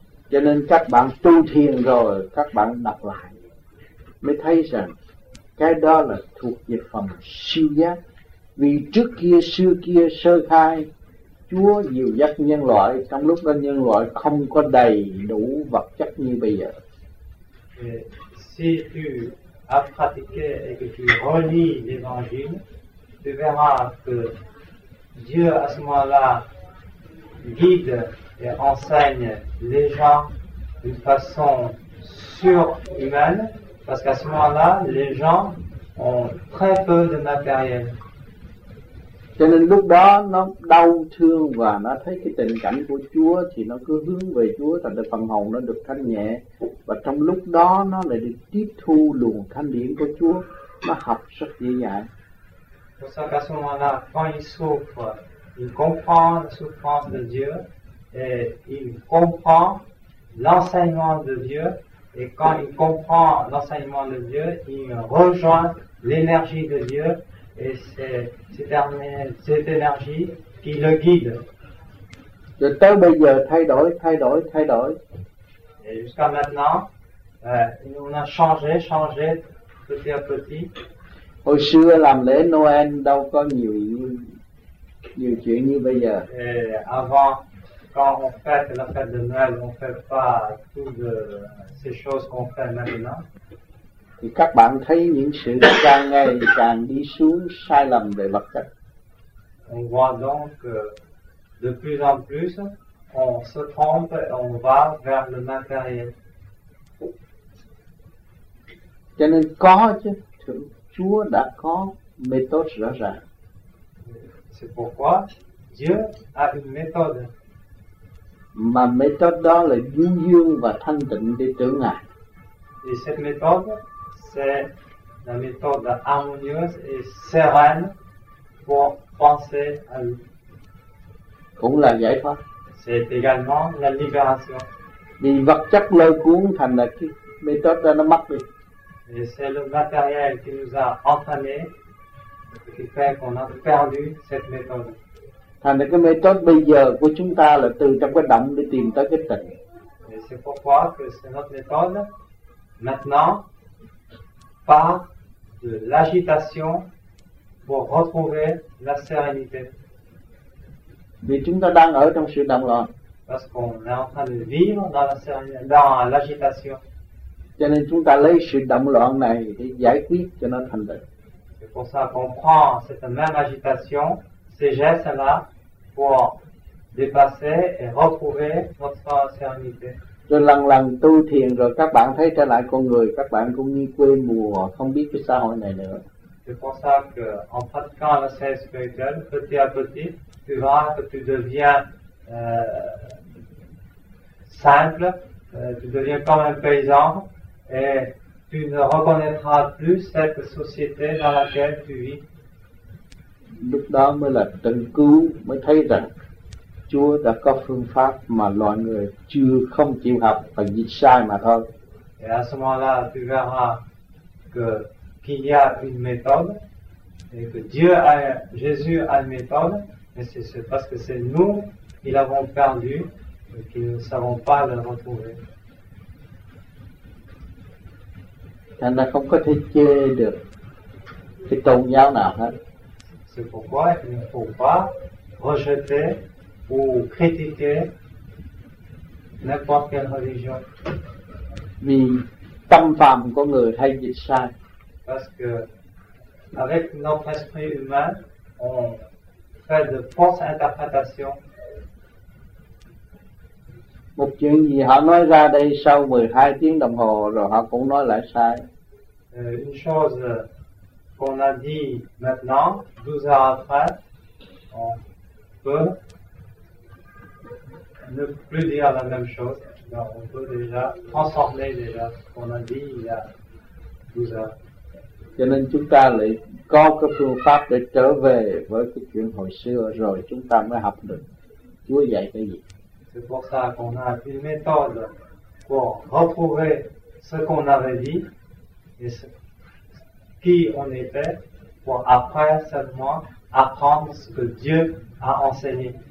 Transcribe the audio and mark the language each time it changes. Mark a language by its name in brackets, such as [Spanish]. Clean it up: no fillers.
[Vietnamese] Cho nên các bạn tu thiền rồi, các bạn đọc lại mới thấy rằng cái đó là thuộc về phần siêu giác. Vì trước kia, xưa kia, sơ khai, Chúa dìu dắt nhân loại trong lúc đó nhân loại không có đầy đủ vật chất như bây giờ. [French] Et si tu as pratiqué et que tu relis l'Évangile, tu verras que Dieu à ce moment-là guide et enseigne les gens d'une façon surhumaine, parce qu'à ce moment-là, les gens ont très peu de matériel. [Vietnamese] Cho nên lúc đó nó đau thương và nó thấy cái tình cảnh của Chúa thì nó cứ hướng về Chúa, thành ra phần hồn nó được thanh nhẹ. Và trong lúc đó nó lại được tiếp thu luồng thanh điển của Chúa, nó học rất dễ dàng. [French] Pour ça qu'à ce moment-là, quand il souffre, il comprend la souffrance de Dieu et il comprend l'enseignement de Dieu. Et quand il comprend l'enseignement de Dieu, il rejoint l'énergie de Dieu. Et c'est cette énergie qui le guide. [Vietnamese] Rồi tới bây giờ thay đổi. [French] Et jusqu'à maintenant, on a changé petit à petit. [Vietnamese] Hồi xưa làm lễ Noël đâu có nhiều nhiều chuyện như bây giờ. [French] Avant, quand on fête la fête de Noël, on fait pas toutes ces choses qu'on fait maintenant. [Vietnamese] Thì các bạn thấy những sự càng ngày càng đi xuống sai lầm về vật chất. [French] On voit donc que de plus en plus on se trompe et on va vers le matériel. [Vietnamese] Cho nên có chứ, Thượng Chúa đã có méthode rõ ràng. [French] C'est pourquoi Dieu a une méthode. [Vietnamese] Mà méthode đó là dương dương và thanh tịnh để tưởng Ngài. [French] Et cette méthode, c'est la méthode harmonieuse et sereine pour penser à lui. [Vietnamese] Cũng là giải thoát. [French] C'est également la libération. [Vietnamese] Vì vật chất lôi cuốn thành là cái méthode đó nó mất đi. [French] Et c'est le matériel qui nous a entraînés, qui fait qu'on a perdu cette méthode. [Vietnamese] Thành ra cái méthode bây giờ của chúng ta là từ trong cái động để tìm tới cái tịnh. [French] Et c'est pourquoi que c'est notre méthode maintenant part de l'agitation pour retrouver la sérénité. [Vietnamese] Vì chúng ta đang ở trong sự động loạn. [French] Parce qu'on est en train de vivre dans la dans l'agitation. [Vietnamese] Cho nên chúng ta lấy sự động loạn này để giải quyết cho nó thành tựu. [French] C'est pour ça qu'on prend cette même agitation, ces gestes-là, pour dépasser et retrouver notre sérénité. [Vietnamese] Rồi lần lần tu thiền rồi các bạn thấy trở lại con người, các bạn cũng như quê mùa, không biết cái xã hội này nữa. [French] C'est pour ça qu'en pratiquant la sérénité spirituelle, petit à petit, tu vois que tu deviens simple, tu deviens comme un paysan. Et tu ne reconnaîtras plus cette société dans laquelle tu vis. [Vietnamese] Lúc đó mới là tận cứu, mới thấy rằng Chúa đã có phương pháp mà loài người chưa không chịu học và dịch sai mà thôi. [French] Et à ce moment-là, tu verras que, qu'il y a une méthode, et que Dieu a, Jésus a une méthode, mais c'est parce que c'est nous qui l'avons perdu et qui ne savons pas la retrouver. [Vietnamese] Thành ra không có thể chê được cái tôn giáo nào hết. [French] C'est pourquoi il ne faut pas rejeter ou critiquer n'importe quelle religion. [Vietnamese] Vì tâm phàm của người hay dịch sai. [French] Parce que avec notre esprit humain, on fait de fausses interprétations. [Vietnamese] Một chuyện gì họ nói ra đây sau 12 tiếng đồng hồ rồi họ cũng nói lại sai. [French] Une chose qu'on a dit maintenant, 12 heures après, on peut ne plus dire la même chose. Non, on peut déjà transformer déjà ce qu'on a dit il y a 12 heures. [Vietnamese] Cho nên chúng ta lại có cái phương pháp để trở về với cái chuyện hồi xưa rồi chúng ta mới học được Chúa dạy cái gì. [French] C'est pour ça qu'on a une méthode pour retrouver ce qu'on avait dit. Et qui on était pour après seulement apprendre ce que Dieu a enseigné.